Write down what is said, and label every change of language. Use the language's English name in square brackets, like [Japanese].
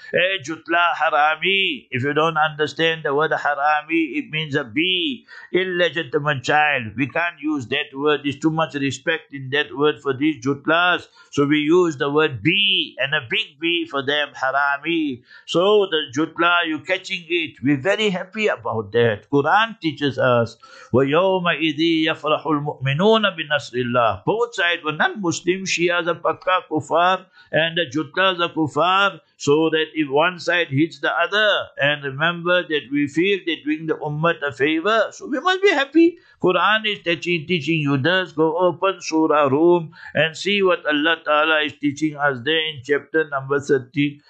[English] Eh, jutla harami. If you don't understand the word harami, it means a bee, illegitimate child. We can't use that word. There's too much respect in that word for these jutlas. So we use the word bee, and a big bee for them, harami. So the jutla, you're catching it. We're very happy about that. Quran teaches us. [Arabic] وَيَوْمَ إِذِي يَفْرَحُ الْمُؤْمِنُونَ بِنَصْرِ اللَّهِ [English] Both sides were non-Muslims. Shias are pakka kufar and the jutlas are kufar. So that if one side hits the other, and remember that we feel they're doing the ummah a favor, so we must be happy. Quran is teaching you this. Go open Surah Rum and see what Allah Ta'ala is teaching us there in chapter number 30.